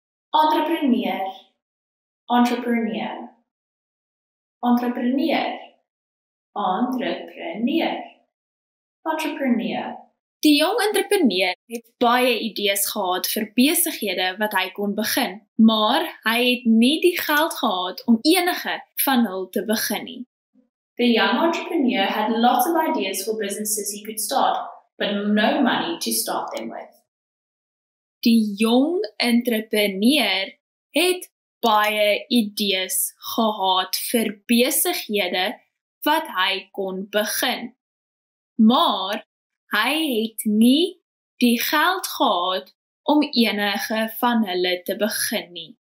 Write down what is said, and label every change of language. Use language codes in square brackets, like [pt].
[en] Entrepreneur. Entrepreneur. Entrepreneur. Entrepreneur. Entrepreneur. [af] Die jong entrepreneur het baie idees gehad vir besighede wat hy kon begin, maar hy het nie die geld gehad om enige van hulle te begin nie. [en] The young entrepreneur had lots of ideas for businesses he could start, but no money to start them with. [af] Die jong entrepreneur het baie idees gehad vir besighede wat hy kon begin. Maar hy het nie die geld gehad om enige van hulle te begin nie.